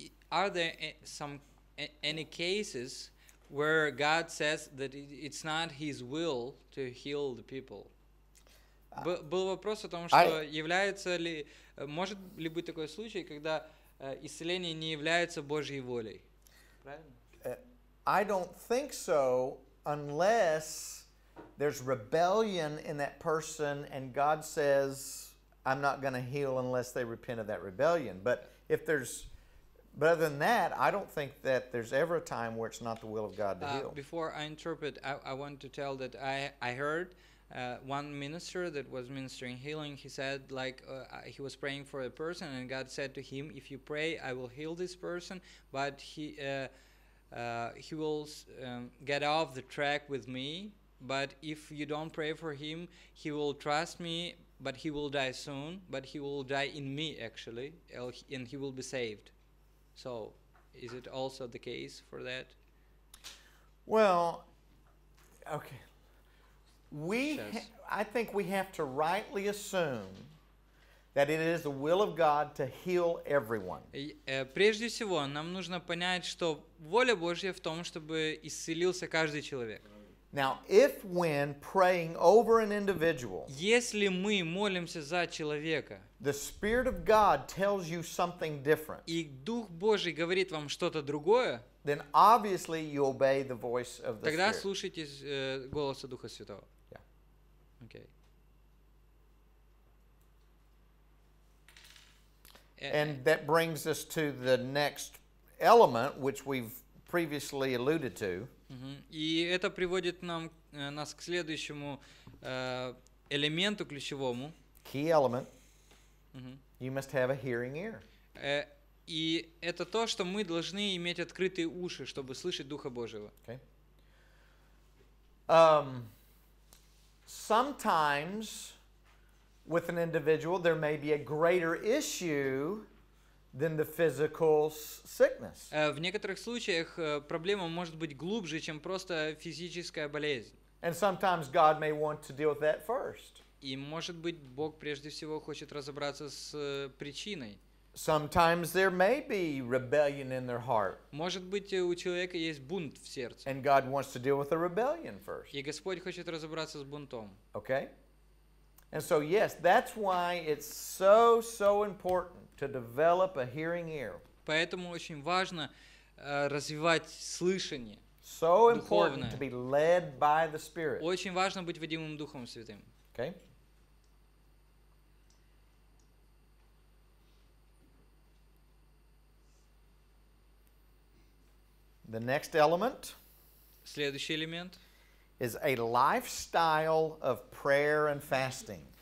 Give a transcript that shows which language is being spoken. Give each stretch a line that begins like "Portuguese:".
English: Are there any cases where God says that it's not his will to heal the people?
Russian: Был вопрос о том, что является ли, может ли быть такой случай, когда исцеление не является Божьей волей?
English: I don't think so, unless there's rebellion in that person, and God says, I'm not going to heal unless they repent of that rebellion. But if there's But other than that, I don't think that there's ever a time where it's not the will of God to heal. Before I interpret, I want to tell that I heard one minister that was ministering healing. He said, like, he was praying for a person, and God said to him, if you pray, I will heal this person, but he will get off the track with me. But if you don't pray for him, he will trust me, but he will die soon. But he will die in me, actually, and he will be saved. So is it also the case for that? Well, okay. I think we have to rightly assume that it is the will of God to heal everyone.
Russian: Прежде всего, нам нужно понять, что воля Божья в том, чтобы исцелился каждый человек.
English: Now, if when praying over an individual,
Russian: если мы молимся за человека,
English: the Spirit of God tells you something different,
Russian: и Дух Божий говорит вам что-то другое,
English: then obviously you obey the voice of the
Russian: тогда Тогда слушайтесь голоса Духа Святого.
English: Yeah. Okay. And that brings us to the next element, which we've previously alluded to.
Russian: И это приводит нас к следующему элементу ключевому.
English: Key element. You must have a hearing ear.
Russian: И это то, что мы должны иметь открытые уши, чтобы слышать Духа Божьего.
English: Okay. Sometimes with an individual there may be a greater issue than the physical sickness.
Russian: В некоторых случаях проблема может быть глубже, чем просто физическая болезнь.
English: And sometimes God may want to deal with that first.
Russian: И может быть Бог прежде всего хочет разобраться с причиной.
English: Sometimes there may be rebellion in their heart.
Russian: Может быть у человека есть бунт в сердце.
English: And God wants to deal with the rebellion first.
Russian: И Господь хочет разобраться с бунтом.
English: Okay? And so yes, that's why it's so so important to develop a hearing ear.
Russian: Поэтому очень важно развивать слышание.
English: So important to be led by the Spirit.
Russian: Очень важно быть ведомым Духом Святым.
English: Okay. The next element.
Russian: Следующий элемент.
English: Is a lifestyle of prayer and fasting.